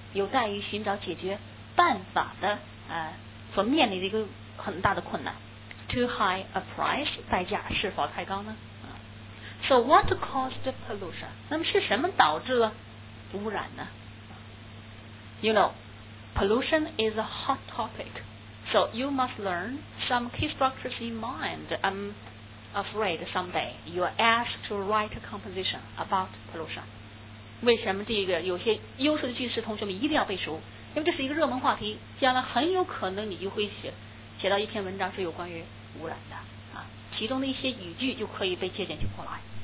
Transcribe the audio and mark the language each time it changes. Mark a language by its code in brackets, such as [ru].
[zh] 有待于寻找解决办法的、所面临的一个很大的困难。 [en] Too high a price, [zh] 代价是否太高呢、 [en] So what caused pollution? [zh] 那么是什么导致了污染呢？ [en] You know, pollution is a hot topic, so you must learn some key structures in mind. I'm afraid someday you are asked to write a composition about pollution. [zh] 为什么第一个有些优秀的句式同学们一定要背熟？因为这是一个热门话题，将来很有可能你就会写到一篇文章是有关于污染的啊，其中的一些语句就可以被借鉴过来。